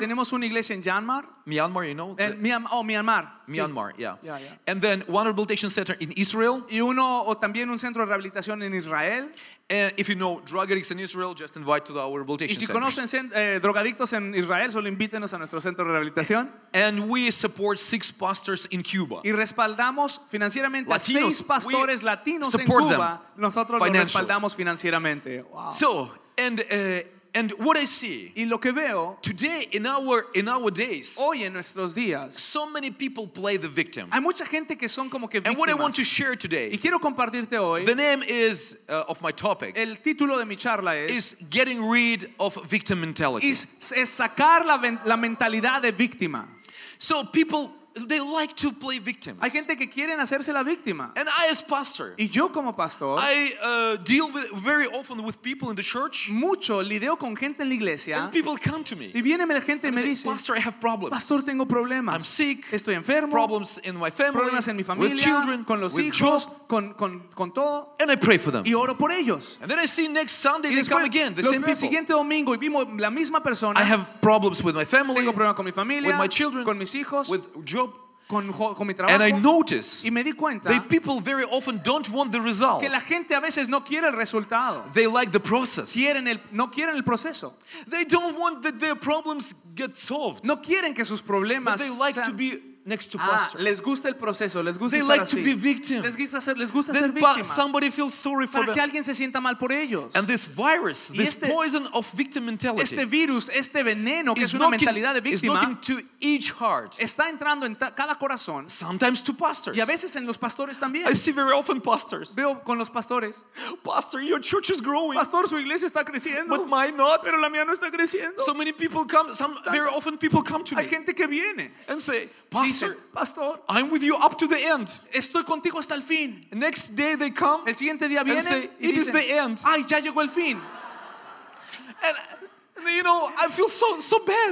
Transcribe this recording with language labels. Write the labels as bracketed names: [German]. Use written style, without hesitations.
[Spanish] Tenemos una iglesia en Myanmar. [English] Myanmar, you know? Myanmar. Myanmar, yeah. Yeah. And then one rehabilitation center in Israel. [Spanish] Y uno, o también un centro de rehabilitación en Israel. [English] And if you know drug addicts in Israel, just invite to our rehabilitation center. [Spanish] Y si conocen drogadictos en Israel, solo invítenos a nuestro centro de rehabilitación. [English] And we support 6 pastors in Cuba. [Spanish] Y respaldamos financieramente Latinos, a 6 pastores latinos en Cuba. Nosotros los respaldamos financieramente. [English] Wow. So, and what I see [Spanish] y lo que veo, [English] today in our days, [Spanish] hoy en nuestros días, [English] so many people play the victim. [Spanish] Hay mucha gente que son como que víctimas. [English] And what I want to share today, [Spanish] y quiero compartirte hoy, [English] the name is of my topic. [Spanish] El título de mi charla es, [English] is getting rid of victim mentality. [Spanish] Es sacar la mentalidad de víctima. [English] So people. They like to play victims. [Spanish] Hay gente que quieren hacerse la víctima. [English] And I, as pastor, [Spanish] y yo como pastor, [English] I deal with, very often with people in the church. [Spanish] Mucho lidio con gente en la iglesia. [English] And people come to me. [Spanish] Y viene la gente y me dice, [English] Pastor, I have problems. [Spanish] Pastor, tengo problemas. [English] I'm sick. [Spanish] Estoy enfermo. [English] Problems in my family. [Spanish] Problemas en mi familia. [English] With children. [Spanish] Con los [English] with [Spanish] hijos. [English] Job, [Spanish] con todo. [English] And I pray for them. [Spanish] Y oro por ellos. [English] And then I see next Sunday they come again. The same people. [Spanish] El siguiente domingo y vimos la misma persona. [English] I have problems with my family. [Spanish] Tengo problemas con mi familia. [English] With my children. [Spanish] Con mis hijos. [English] With job. [Spanish] con mi trabajo, [English] and I noticed [Spanish] y me di cuenta, [English] that people very often don't want the result. [Spanish] Que la gente a veces no quiere el resultado. [English] They like the process. [Spanish] Quieren el, no quieren el proceso. [English] They don't want that their problems get solved. [Spanish] No quieren que sus problemas, [English] but they like [Spanish] sean... [English] to be next to pastor. [Spanish] Les gusta el proceso, les gusta [English] they [Spanish] estar [English] like [Spanish] así. [English] To be victim. [Spanish] Les gusta [English] then [Spanish] ser víctimas. [English] Somebody feels sorry for [Spanish] para que alguien se sienta mal por ellos. [English] And this virus, this este, poison of victim mentality, [Spanish] este virus, este veneno que [English] is [Spanish] es una mentalidad de víctima, [English] knocking to each heart. [Spanish] Está entrando en cada corazón. [English] Sometimes to pastors. [Spanish] Y a veces en los pastores también. [English] I see very often pastors. [Spanish] Veo con los pastores. [English] Pastor, your church is growing. [Spanish] Pastor, su iglesia está creciendo. [English] But mine not. [Spanish] Pero la mía no está creciendo. [English] So many people come. Some very often people come to me. [Spanish] Hay gente que viene. [English] And say, pastor. [Spanish] Pastor, [English] I'm with you up to the end. [Spanish] Estoy contigo hasta el fin. [English] Next day they come. [Spanish] El siguiente día vienen [English] and say, [Spanish] y dicen, [English] it is the end. [Spanish] Ay, ya llegó el fin. [English] And you know, I feel so bad.